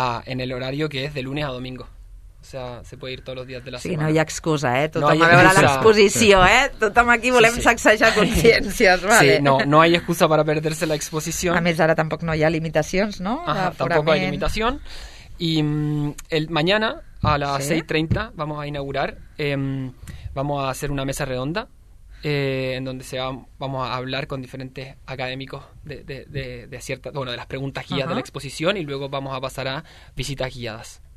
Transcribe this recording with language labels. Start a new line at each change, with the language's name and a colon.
Spanish: en el horario que es de lunes a domingo. O sea, se puede ir todos los días de la semana.
Catalan: Sí, no hi ha excusa, ¿eh? Tothom no a veure l'exposició, ¿eh? Tothom aquí volem sacsejar consciències, ¿vale?
Spanish: Sí, no hay excusa para perderse la exposición.
Catalan: A més, ara tampoc no hi ha limitacions, ¿no?
Spanish: Tampoco hay limitación. Y mañana... A las 6:30 vamos a inaugurar, vamos a hacer una mesa redonda en donde vamos a hablar con diferentes académicos de ciertas, bueno, de las preguntas guías de la exposición y luego vamos a pasar a visitas guiadas.